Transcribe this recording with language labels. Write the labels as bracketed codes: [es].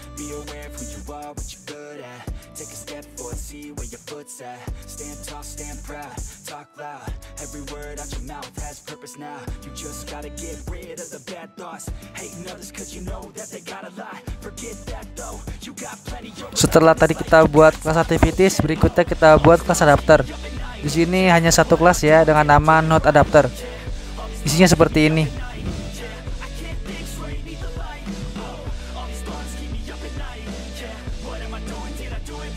[en] Be aware of who you are, what you're good at. Take a step forward, see where your foot's at. Stand tall, stand proud, talk loud. Every word out your mouth has purpose now. You just gotta get rid of the bad thoughts. Hating others cause you know that they gotta lie. Forget that though, you got plenty of... [id] Setelah tadi kita buat class activities, berikutnya kita buat class adapter. Di sini hanya satu kelas ya, dengan nama note adapter. Isinya seperti ini. [en] Yeah, I can't think straight, need the light. Oh, all these thoughts keep me up at night. Yeah, what am I doing, did I do